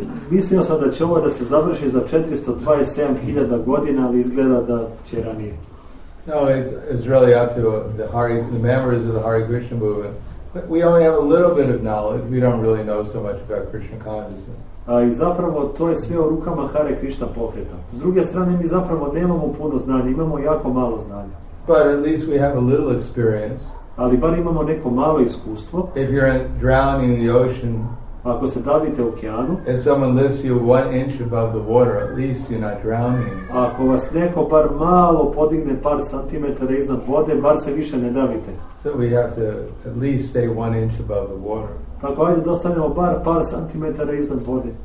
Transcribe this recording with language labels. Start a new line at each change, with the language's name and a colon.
Serbian: Mislio sam da će ovo da se završi za 427.000 godina, ali izgleda da će ranije.
English: No, it's really up to the members of the Hare Krishna movement. But we only have a little bit of knowledge. We don't really know so much about Krishna consciousness.
Serbian: I zapravo to je sve u rukama Hare Krishna pokreta. S druge strane, mi zapravo nemamo puno znanja, imamo jako malo znanja.
English: But at least we have a little experience.
Serbian: Ali bar imamo neko malo iskustvo.
English: If you're drowning in the ocean,
Serbian: ako se davite u okeanu,
English: and someone lifts you one inch above the water, at least you're not drowning.
Serbian: Ako vas neko bar malo podigne par centimetara iznad vode, bar se više ne davite.
English: So we have to at least stay one inch above the water.
Serbian: Tako ajde da ostanemo bar par centimetara iznad vode.